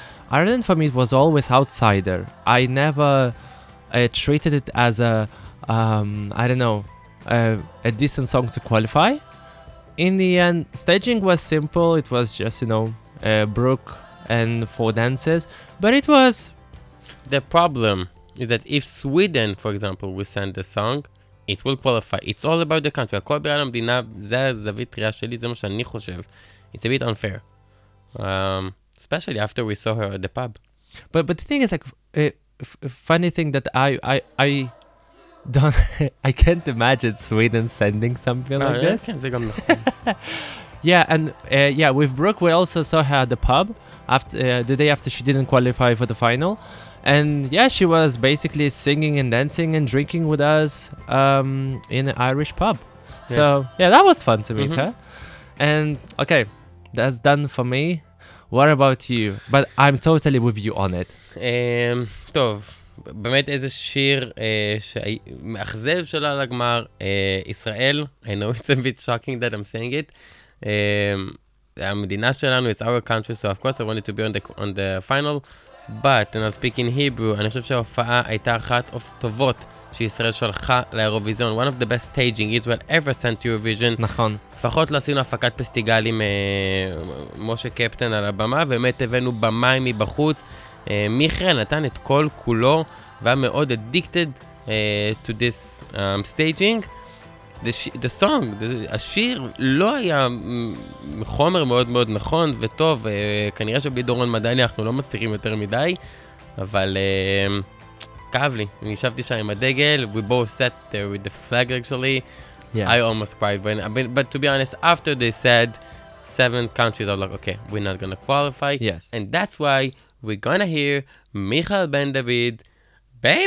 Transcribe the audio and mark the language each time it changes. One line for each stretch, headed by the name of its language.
English: Ireland for me was always outsider. I never treated it as a decent song to qualify. In the end, staging was simple. It was just, you know, Brooke and four dances, but it was the problem is that if Sweden, for example, will send the song, it will qualify. It's all about the country.
Hebrew: הכל בגלל המדינה, זה הזווית ראייה שלי, זה מה שאני חושב.
English: It's a bit unfair, especially after we saw her at the pub. But the thing is, like, funny thing that I can't imagine Sweden sending something like this. I can't say I'm not. Yeah, and with Brooke, we also saw her at the pub after the day after she didn't qualify for the final. And yeah, she was basically singing and dancing and drinking with us in an Irish pub. So yeah, that was fun to meet her. And okay, that's done for me. What about you? But I'm totally with you on it.
Hebrew: טוב, באמת איזה שיר מאכזב שלה לגמר, ישראל.
English: I know it's a bit shocking that I'm saying it.
Hebrew: המדינה שלנו,
English: it's our country, so of course I wanted to be on the final, But and I'll speak in Hebrew.
Hebrew: אני חושב שההופעה הייתה אחת הטובות שישראל שלחה לאירוויזיון.
English: One of the best staging Israel ever sent to Eurovision.
Hebrew: נכון. לפחות לא עשינו הפקת פסטיגל עם משה קפטן על הבמה, ובאמת הבאנו במים מבחוץ. מיכאל נתן את כל כולו, והיה מאוד
English: addicted to this staging. The song,
Hebrew: השיר לא היה חומר מאוד מאוד נכון וטוב, כנראה שבלי דורון מדני אנחנו לא מצליחים יותר מדי, אבל כאב לי, אני ישבתי שם עם הדגל,
English: we both sat there with the flag actually, yeah. I almost cried, but to be honest, after they said seven countries, I was like, okay, we're not gonna qualify, yes. And that's why we're gonna hear Michal Ben David, baby!